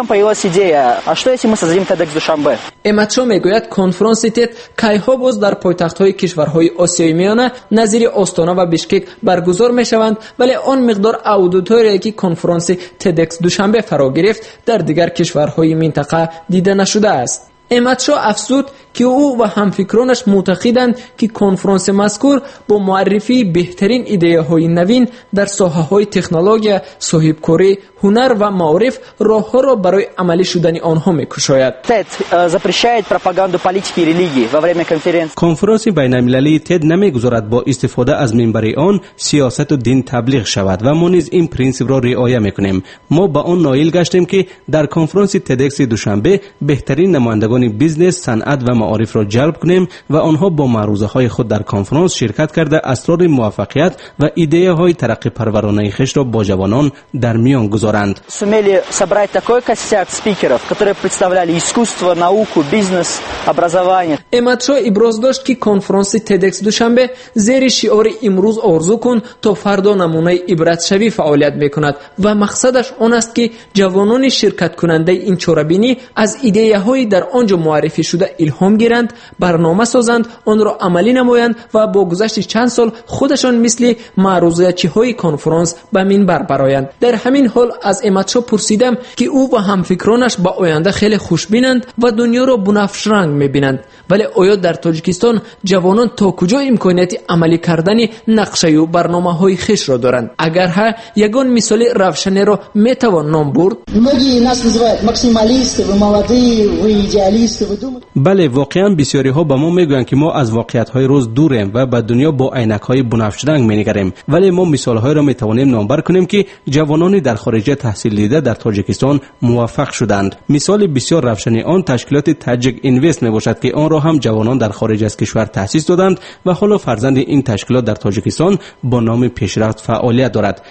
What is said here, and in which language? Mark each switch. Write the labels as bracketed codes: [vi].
[fa] امتشا میگوید کنفرانس تد کیها باز در پایتخت های کشورهای آسیای میانه نظیر آستانا و بیشکک برگزار میشوند، ولی آن مقدار اودیتوریایی که کنفرانس تدکس دوشنبه فرا گرفت در دیگر کشورهای منطقه دیده نشده است. امتشا افزود که او و همفکرانش معتقدند که کنفرانس مذکور با معرفی بهترین ایده های نوین در ساحه های تکنولوژی، صاحبکاری، هنر و معرف راه ها را برای عملی شدن آنها می کشاید. [ru] تد запрещает пропаганду политики и религии во время конференции. [fa] کنفرانس بین المللی تد نمی گذارد با استفاده از منبر آن سیاست و دین تبلیغ شود و ما نیز این پرینسیپ را رعایت می کنیم. ما به آن نائل گشتیم که در کنفرانس تدکس دوشنبه بهترین نمایندگان بیزنس، صنعت و معارف را جلب کنیم و آنها با معروضه های خود در کنفرانس شرکت کرده اسرار موفقیت و ایده های ترقی پرورانه خیش را با جوانان در میان گذارند. [ru] سومیلی собрать такой костяк спикеров, которые представляли искусство, науку, бизнес, образование. [fa] امتشا ابراز داشت که کنفرانس تدکس دوشنبه زیر شعار امروز آرزو کن تا فردا نمونه عبرت شوی فعالیت میکند و مقصدش آن است که جوانان شرکت کننده این چوربینی از ایده های در آنجا معرفی شده الهام گیرند، برنامه سازند، آن را عملی نمایند و با گذشت چند سال خودشان مثل معروضه‌چی های کنفرانس به منبر برآیند. در همین حال از امتشا پرسیدم که او و همفکرانش به آینده خیلی خوشبینند و دنیا را بنفش رنگ میبینند، ولی آیا در تاجیکستان جوانان تا کجا امکانیت عملی کردن نقشه و برنامه های خیش را دارند؟ اگر ها یگان مثال روشن را میتوان نام برد؟ [ru] многие нас называют максималисты, вы молодые, вы идеалисты, вы думаете. [fa] بله، واقعا بسیاری ها به ما میگویند که ما از واقعیت های روز دوریم و به دنیا با عینک های بنفش رنگ می نگریم، ولی ما مثال های را می توانیم نامبر کنیم که جوانان در خارج تحصیل دیده در تاجیکستان موفق شدند. مثال بسیار روشن آن تشکیلات تاجیک اینوست می باشد که آن را هم جوانان در خارج از کشور تاسیس دادند و حالا فرزند این تشکیلات در تاجیکستان با نام پیشرفت فعالیت دارد.